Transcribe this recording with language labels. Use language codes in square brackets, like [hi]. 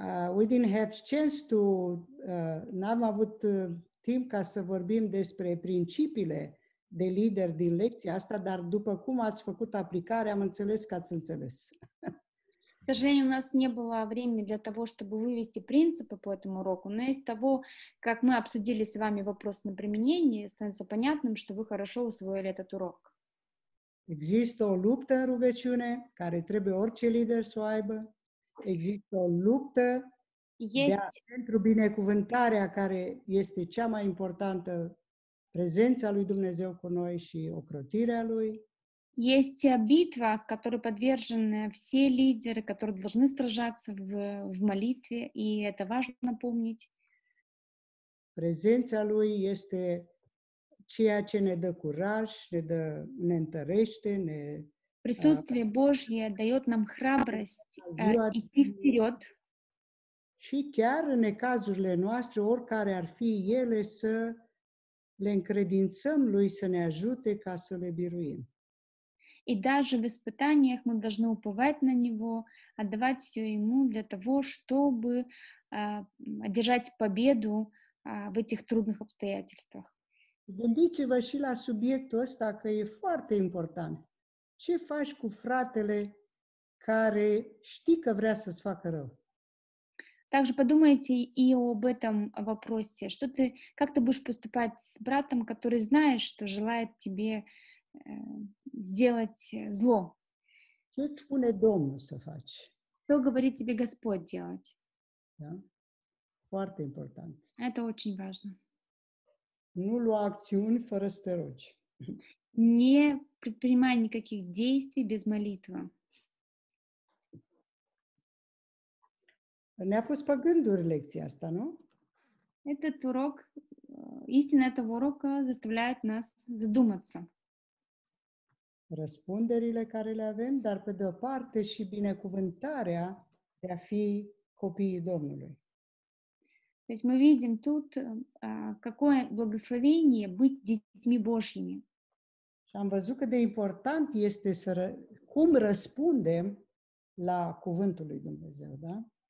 [en] We didn't have chance to, [ro] n-am avut timp ca să vorbim despre principiile de lider din lecția asta, dar după cum ați făcut aplicare, am înțeles că ați înțeles. [ru] К сожалению, у нас не было времени для того, чтобы вывести принципы по этому уроку, но из того, как мы обсудили с вами вопрос на применение, становится понятным, что вы хорошо усвоили этот урок. [ro] Există o luptă în rugăciune, care trebuie orice lider să aibă. Există o luptă pentru binecuvântarea care este cea mai importantă, prezența lui Dumnezeu cu noi și ocrotirea lui. [ru] Есть битва, которой подвержены все лидеры, которые должны сражаться в молитве, и это важно помнить. [ro] Prezența lui este ceea ce ne dă curaj, ne întărește, ne... [ru] Присутствие Божье дает нам храбрость идти вперед. [ro] Și chiar în cazurile noastre, oricare ar fi ele, să le încredințăm lui să ne ajute ca să le biruim. [ru] И даже в испытаниях мы должны уповать на Него, отдавать все Ему для того, чтобы одержать победу в этих трудных обстоятельствах. [ro] Gândiți-vă și la subiectul ăsta, că e foarte important. Ce faci cu fratele care știi că vrea să-ți facă rău? [ru] Также подумайте и об этом вопросе. Что ты, как ты будешь поступать с братом, который знаешь, что желает тебе сделать зло? [ro] Ce-ți spune Domnul să faci? [ru] Что говорит тебе Господь делать? [ro] Да? Foarte important. [ru] Это очень важно. [ro] Nu lua acțiuni fără să te rogi. [ru] Не предпринимай никаких действий без молитвы. [ro] Ne-a pus pe gânduri lecția asta, nu? [ru] Этот урок, истина этого урока заставляет нас задуматься. [ro] Răspunderile care le avem, dar pe de-o parte și binecuvântarea de a fi copiii Domnului. [ru] То есть мы видим тут, какое благословение быть детьми Божьими. [ro] Și am văzut cât de important este să cum răspundem la cuvântul lui Dumnezeu, da?